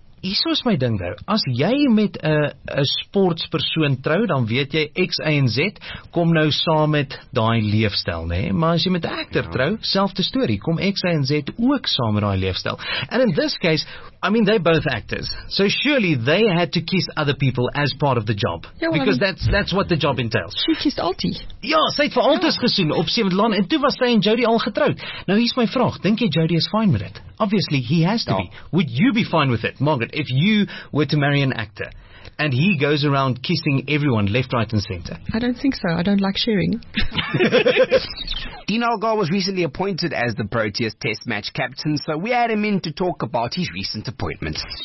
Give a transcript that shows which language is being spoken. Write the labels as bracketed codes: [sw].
[af] Hier is my ding nou, as jy met 'n sportspersoon trou, dan weet jy X, Y en Z kom nou saam met daai leefstyl, nê? Maar as jy met 'n akter trou, selfde storie, kom X, Y en Z ook saam met daai leefstyl. [en] And in this case, I mean they're both actors. So surely they had to kiss other people as part of the job. Ja, well, because that's what the job entails. She kissed Altie. [af] Ja, sy het vir Altus gesien op Sewende Laan en toe was sy en Jodie al getroud. Nou hier's my vraag, dink jy Jodie is fine met dit? [en] Obviously, he has to be. Would you be fine with it, Margaret, if you were to marry an actor and he goes around kissing everyone left, right and center? I don't think so. I don't like sharing. Dean Algar was recently appointed as the Proteas Test Match captain, so we had him in to talk about his recent appointment.